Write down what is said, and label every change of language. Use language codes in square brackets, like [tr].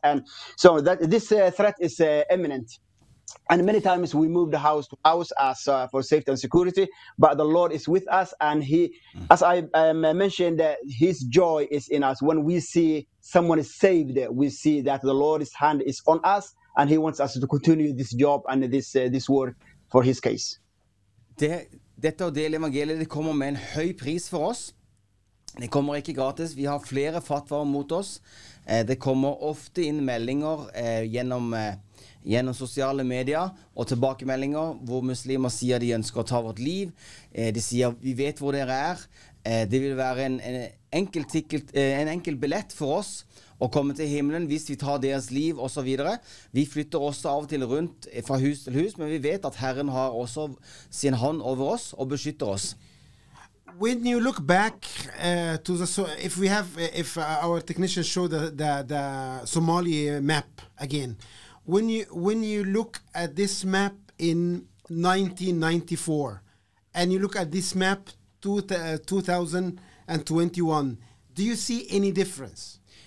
[en] And so that this threat is imminent. And many times we moved house to house as for safety and security. But the Lord is with us. And he, as I mentioned, his joy is in us. When we see someone is saved, we see that the Lord's hand is on us. And he wants us to continue this job and this this work for his case. [no] Dette å dele evangeliet, det kommer med en høy pris for oss. Det kommer ikke gratis. Vi har flere fatvarer mot oss. Det kommer ofte inn meldinger gjennom sosiale medier og tilbakemeldinger hvor muslimer sier de ønsker å ta vårt liv. De sier vi vet hvor dere er. Det vil være en enkel billett for oss å komme til himmelen hvis vi tar deres liv og så videre. Vi flytter også av og til rundt fra hus til hus, men vi vet at Herren har også sin hånd over oss og beskytter oss. [en] When you look back to the, so if we have, if our technician showed the Somali map again, when you look at this map in 1994 and you look at this map 2021, do you see any difference?